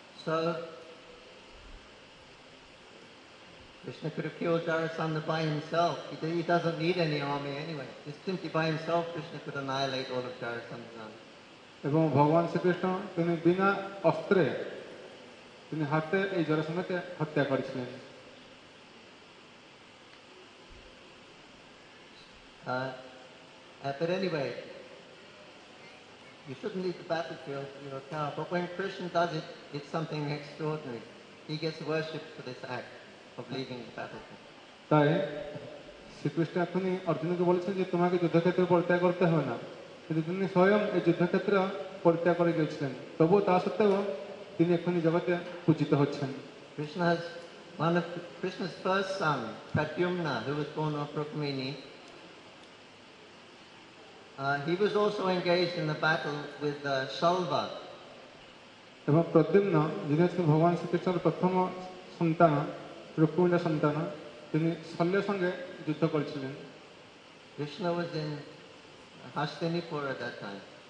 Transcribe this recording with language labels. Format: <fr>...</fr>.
<en>So, Krishna could have killed Jarasandha by himself. He doesn't need any army anyway. Just simply by himself, Krishna could annihilate all of Jarasandha's army.</en> <bn>এবং ভগবান শ্রীকৃষ্ণ তিনি বিনা অস্ত্রে তিনি হাতে এই জরাসন্ধকে হত্যা করেছিলেন</bn> <en>But anyway, you shouldn't leave the battlefield in your car. But when Krishna does it, it's something extraordinary. He gets worshipped for this act of leaving the battlefield.</en> <bn>তাই শ্রীকৃষ্ণ এখনই অর্জুনকে বলেছেন যে তোমাকে যুদ্ধক্ষেত্রে পরিত্যাগ করতে হবে না কিন্তু তিনি স্বয়ং এই যুদ্ধক্ষেত্র পরিত্যাগ করে গিয়েছিলেন তবুও তা সত্ত্বেও তিনি এখনই জগতে পূজিত হচ্ছেন</bn> <en>Krishna's first son, Pradyumna, who was born of Rukmini, he was also engaged in the battle with Shalva.</en> <bn>এবং Pradyumna, যিনি হচ্ছেন ভগবান শ্রীকৃষ্ণের প্রথম সন্তান রুক্মিণীর সন্তান তিনি শল্যের সঙ্গে যুদ্ধ করেছিলেন</bn> <en>Krishna was in Hastinapura at that time.</en>